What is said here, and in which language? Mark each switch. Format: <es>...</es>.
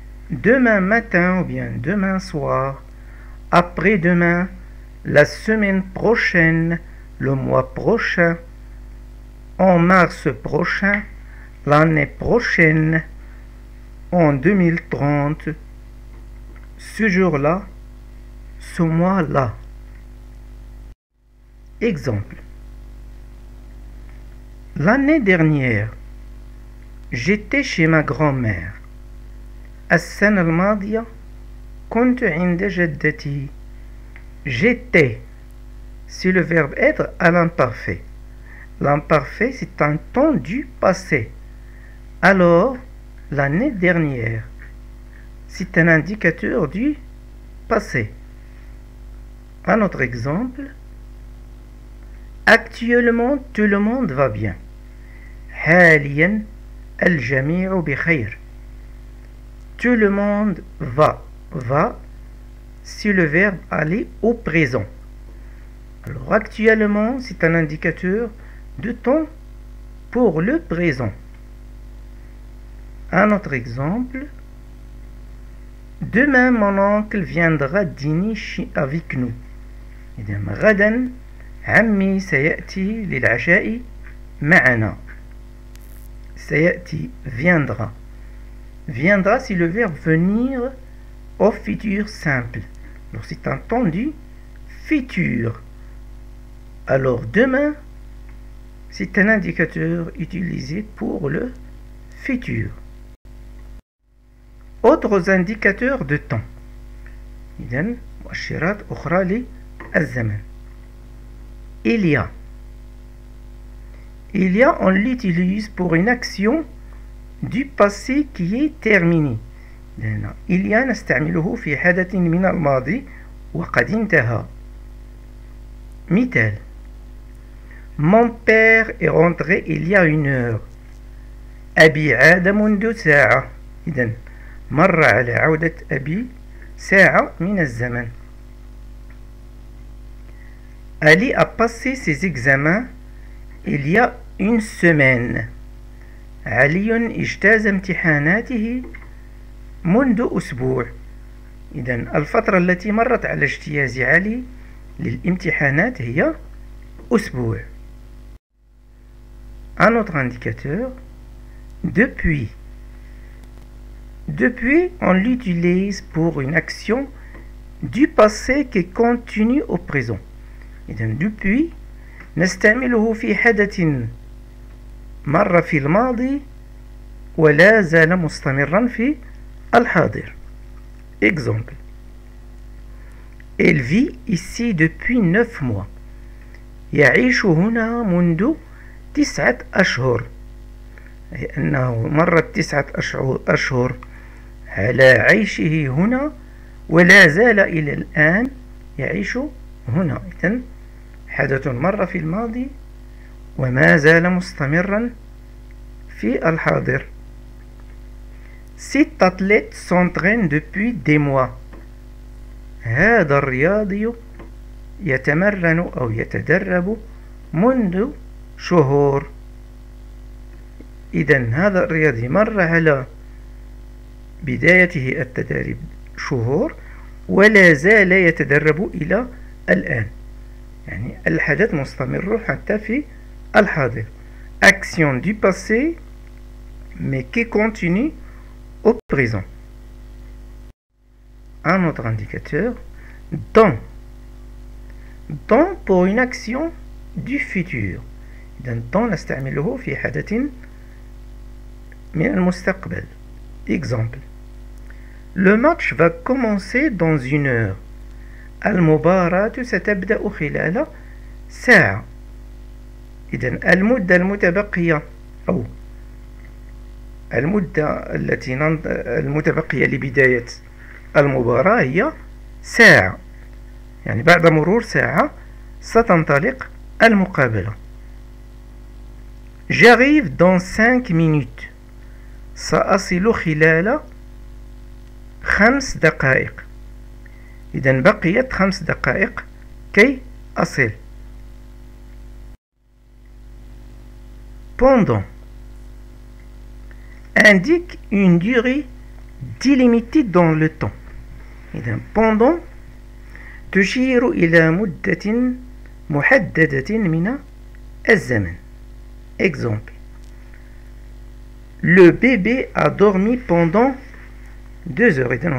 <fr>Demain matin ou bien demain soir, après-demain, la semaine prochaine, le mois prochain, en mars prochain, l'année prochaine, en 2030, ce jour-là, ce mois-là. Exemple. L'année dernière, j'étais chez ma grand-mère.</fr> <ar>السنة الماضية كنت عند جدتي.</ar> <fr>J'étais. C'est le verbe être à l'imparfait. L'imparfait, c'est un temps du passé. Alors, l'année dernière, c'est un indicateur du passé. Un autre exemple. Actuellement, tout le monde va bien.</fr> <ar>حالياً الجميع بخير.</ar> <fr>Tout le monde va. Va, c'est le verbe aller au présent. Alors, actuellement, c'est un indicateur de temps pour le présent. Un autre exemple. Demain, mon oncle viendra dîner avec nous.</fr> <ar>غدًا عمي سيأتي للعشاء معنا. سيأتي</ar> <fr>viendra. Viendra, c'est le verbe venir au futur simple. Donc, c'est un temps du futur. Alors, demain, c'est un indicateur utilisé pour le futur. Autres indicateurs de temps.</fr> <ar>إذن مؤشرات أخرى للزمن.</ar> <fr>Il y a, on l'utilise pour une action du passé qui est terminé.</fr> <ar>Il y a, نستعمله في حدث من الماضي وقد انتهى. مثال.</ar> <fr>Mon père est rentré il y a une heure.</fr> <ar>أبي عاد منذ ساعة. إذن مر على عودة أبي ساعة من الزمن.</ar> <fr>Ali a passé ses examens il y a une semaine.</fr> <ar>علي اجتاز امتحاناته منذ أسبوع. إذن الفترة التي مرت على اجتياز علي للامتحانات هي أسبوع.</ar> <fr>Un autre indicateur. Depuis, on l'utilise pour une action du passé qui continue au présent.</fr> <ar>إذن depuis, نستعمله في حدث مر في الماضي ولا زال مستمرا في الحاضر.</ar> <fr>Exemple. Elle vit ici depuis 9 mois.</fr> <ar>يعيش هنا منذ 9 أشهر. أي أنه مرت 9 أشهر على عيشه هنا ولا زال إلى الآن يعيش هنا. إذن حدث مر في الماضي وما زال مستمرا في الحاضر.</ar> <fr>Cet athlète s'entraîne depuis des mois.</fr> <ar>هذا الرياضي يتمرن أو يتدرب منذ شهور. إذن هذا الرياضي مر على بدايته التدريب شهور ولا زال يتدرب إلى الآن. يعني الحدث مستمر حتى في الحاضر.</ar> <fr>Action du passé mais qui continue au présent. Un autre indicateur. Dans pour une action du futur.</fr> <ar>Dans نستعمله في حدث من المستقبل.</ar> <fr>Exemple. Le match va commencer dans une heure.</fr> <ar>المباراه ستبدا خلال ساعه. اذن المده المتبقيه او المده التي المتبقيه لبدايه المباراه هي ساعه، يعني بعد مرور ساعه ستنطلق المقابله.</ar> <fr>J'arrive dans 5 minutes.</fr> <ar>سأصل خلال 5 دقائق. إذن بقيت 5 دقائق كي أصل.</ar> <fr>Pendant indique une durée délimitée dans le temps.</fr> <ar>إذن pendant تشير إلى مدة محددة من الزمن.</ar> <fr>Exemple. Le bébé a dormi pendant 2 heures.</fr>